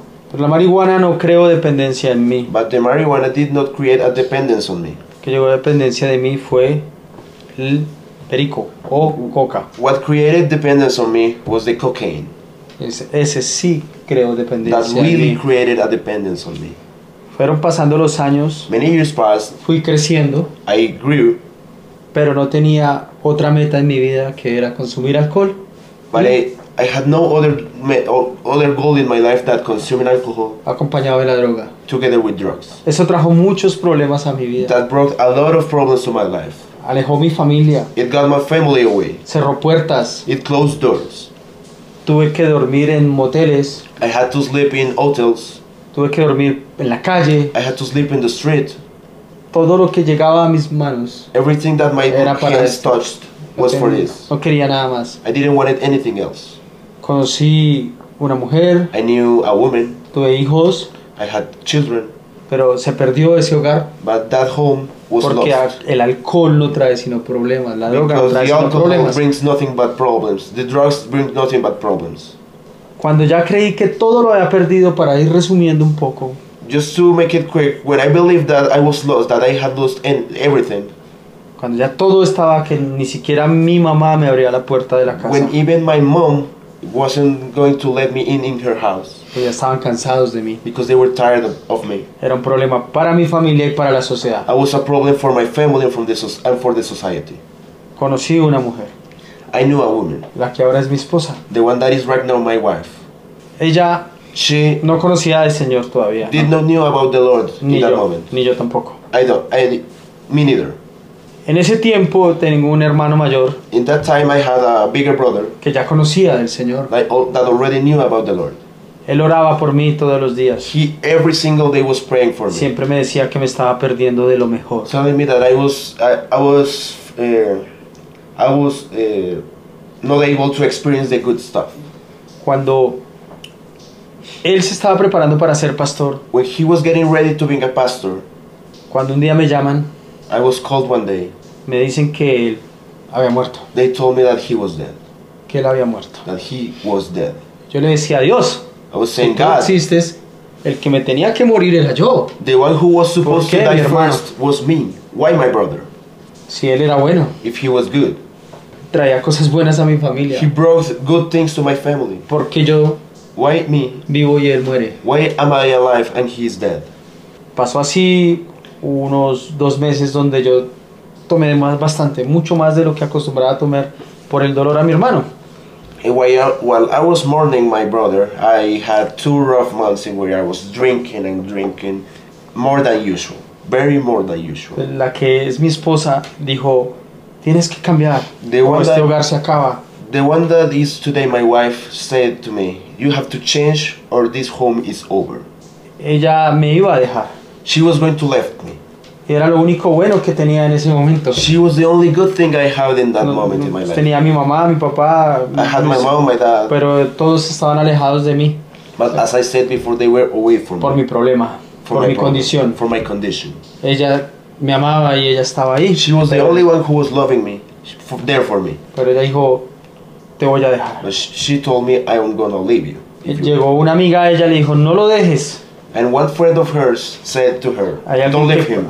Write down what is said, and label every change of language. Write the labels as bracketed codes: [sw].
[es] Pero la marihuana no creó dependencia en mí. [en] But the marijuana did not create a dependence on me. [es] Que llegó a dependencia de mí fue el perico o coca. [en] What created dependence on me was the cocaine. [es] Ese sí creó dependencia [en] That really created a dependence on me. [es] Fueron pasando los años. [en] Many years passed. [es] Fui creciendo. [en] I grew. [es] Pero no tenía otra meta en mi vida que era consumir alcohol. [en] But I had no other goal in my life than consuming alcohol. [es] Acompañado de la droga. [en] Together with drugs. [es] Eso trajo muchos problemas a mi vida. [en] That brought a lot of problems to my life. [es] Alejó mi familia. [en] It got my family away. [es] Cerró puertas. [en] It closed doors. [es] Tuve que dormir en moteles. [en] I had to sleep in hotels. [es] Tuve que dormir en la calle. [en] I had to sleep in the street. [es] Todo lo que llegaba a mis manos. [en] Everything that my hands touched was for this. [es] No quería nada más. [en] I didn't want anything else. [es] Conocí una mujer. [en] I knew a woman. [es] Tuve hijos. [en] I had children. [es] Pero se perdió ese hogar. [en] But that home was [es] porque [en] lost. [es] Porque el alcohol no trae sino problemas. La droga no trae sino problemas. [en] Alcohol brings nothing but problems. The drugs bring nothing but problems. [es] Cuando ya creí que todo lo había perdido, para ir resumiendo un poco. [en] Just to make it quick, when I believed that I was lost, that I had lost everything. [es] Cuando ya todo estaba que ni siquiera mi mamá me abría la puerta de la casa. [en] When even my mom wasn't going to let me in her house. [es] Ya estaban cansados de mí. [en] Because they were tired of me. [es] Era un problema para mi familia y para la sociedad. [en] I was a problem for my family and for the society. [es] Conocí una mujer. [en] I knew a woman. [es] La que ahora es mi esposa. [en] The one that is right now my wife. [es] Ella. [en] She. [es] No conocía al Señor todavía. [en] Did not know about the Lord [es] ni [en] in [es] yo, [en] that moment. [es] Ni yo tampoco. [en] I don't. Me neither. [es] En ese tiempo tengo un hermano mayor. [en] In that time I had a bigger brother. [es] Que ya conocía al Señor. [en] That already knew about the Lord. [es] Él oraba por mí todos los días. [en] He every single day was praying for me. [es] Siempre me decía que me estaba perdiendo de lo mejor. [en] Telling me that I was not able to experience the good stuff. [es] Cuando él se estaba preparando para ser pastor. [en] When he was getting ready to be a pastor. [es] Cuando un día me llaman. [en] I was called one day. [es] Me dicen que él había muerto. [en] They told me that he was dead. [es] Que él había muerto. [en] That he was dead. [es] Yo le decía a Dios. [en] I was saying, God, [es] existes, el que me tenía que morir era yo. [en] The one who was supposed to die first was me. Why my brother? [es] Si él era bueno. [en] If he was good. [es] Traía cosas buenas a mi familia. [en] He brought good things to my family. [es] Porque yo. [en] Why me? [es] Vivo y él muere. [en] Why am I alive and he is dead? [es] Pasó así unos dos meses donde yo tomé bastante, mucho más de lo que acostumbraba a tomar por el dolor a mi hermano. [en] While I was mourning my brother, I had two rough months in where I was drinking and drinking more than usual, very more than usual. [es] La que es mi esposa dijo, tienes que cambiar, este hogar se acaba. [en] The one that is today my wife said to me, you have to change or this home is over. [es] Ella me iba a dejar. [en] She was going to leave me. [es] Era lo único bueno que tenía en ese momento. [en] She was the only good thing I had in that moment in my life. [es] Tenía mi mamá, mi papá. [en] I had my mom, my dad. [es] Pero todos estaban alejados de mí. [en] But as I said before, they were away from me. [es] Por mi problema, por mi condición. [en] For my condition. [es] Ella me amaba y ella estaba ahí. [en] She was the only one who was loving me, there for me. [es] Pero ella dijo, te voy a dejar. [en] But she told me, I'm gonna leave you. [es] Llegó una amiga, ella le dijo, no lo dejes. [en] And one friend of hers said to her, don't leave him.